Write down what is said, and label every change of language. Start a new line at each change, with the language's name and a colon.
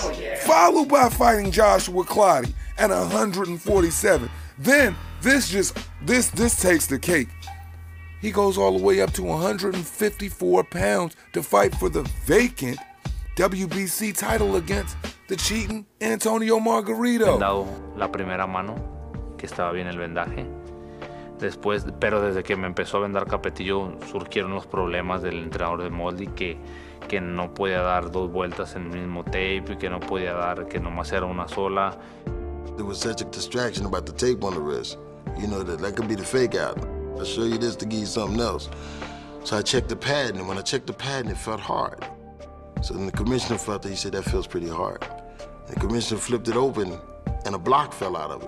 English: Oh, yeah. Followed by fighting Joshua Clotty at 147. Then this takes the cake. He goes all the way up to 154 pounds to fight for the vacant WBC title against the cheating Antonio Margarito.
Spanish: Vendado la primera mano, que estaba bien el vendaje. Después, pero desde que me empezó a vendar Capetillo, surgieron los problemas del entrenador de Moldy, que no podía dar dos vueltas en el mismo tape, y que no podía dar, que nomás era una sola.
English: There was such a distraction about the tape on the wrist. You know, that could be the fake out. I'll show you this to give you something else. So I checked the pad, and when I checked the pad, it felt hard. So then the commissioner felt that, he said, that feels pretty hard. And the commissioner flipped it open, and a block fell out of it.